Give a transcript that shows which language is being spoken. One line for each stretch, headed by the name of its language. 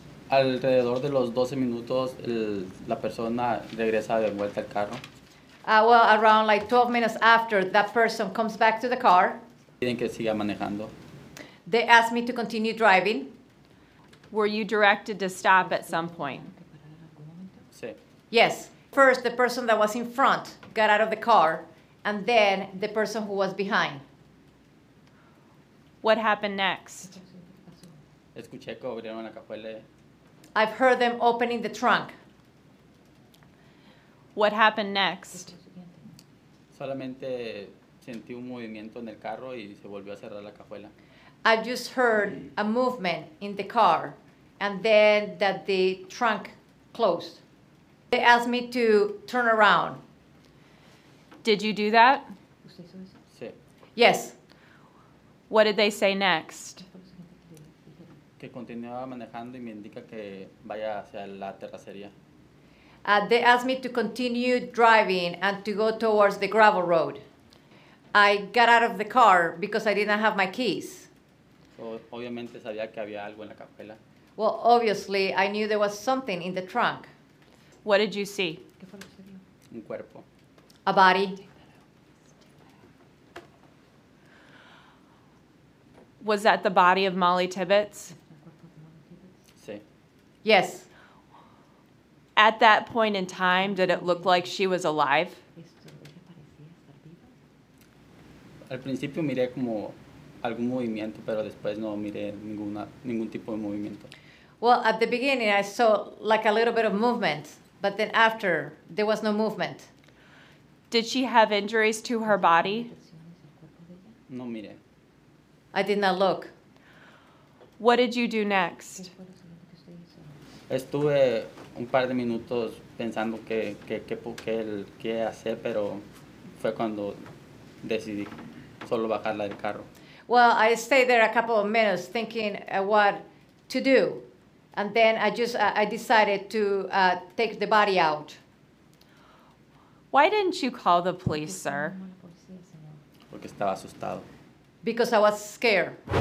Spanish: Alrededor de los 12 minutos, la persona regresa de vuelta al carro.
English: Well, around like 12 minutes after, that person comes back to the car.
Spanish: Tienen que seguir manejando.
English: They asked me to continue driving. Were you directed to stop at some point?
Spanish: Sí.
English: Yes. First, the person that was in front got out of the car, and then the person who was behind. What happened next?
Spanish: Escuché que abrieron la cajuela.
English: I've heard them opening the trunk. What happened next?
Spanish: Solamente sentí un movimiento en el carro y se volvió a cerrar la cajuela.
English: I just heard a movement in the car, and then that the trunk closed. They asked me to turn around. Did you do that?
Spanish: Sí.
English: Yes. What did they say next?
Spanish: Que continuaba manejando y me indica que vaya hacia la terracería.
English: They asked me to continue driving and to go towards the gravel road. I got out of the car because I didn't have my keys.
Spanish: Obviamente sabía que había algo en la cajuela.
English: Well, obviously, I knew there was something in the trunk. What did you see?
Spanish: Un cuerpo.
English: A body. Was that the body of Molly Tibbetts?
Spanish: Sí.
English: Yes. At that point in time, did it look like she was alive?
Spanish: Al principio miré como algún movimiento, pero después no miré ningún tipo de movimiento.
English: Well, at the beginning I saw like a little bit of movement, but then after there was no movement. Did she have injuries to her body?
Spanish: No miré.
English: I did not look. What did you do next?
Spanish: Estuve un par de minutos pensando qué hacer, pero fue cuando decidí solo bajarla del carro.
English: Well, I stayed there a couple of minutes thinking what to do. And then I just, I decided to take the body out. Why didn't you call the police, sir?
Spanish: Porque estaba asustado.
English: Because I was scared.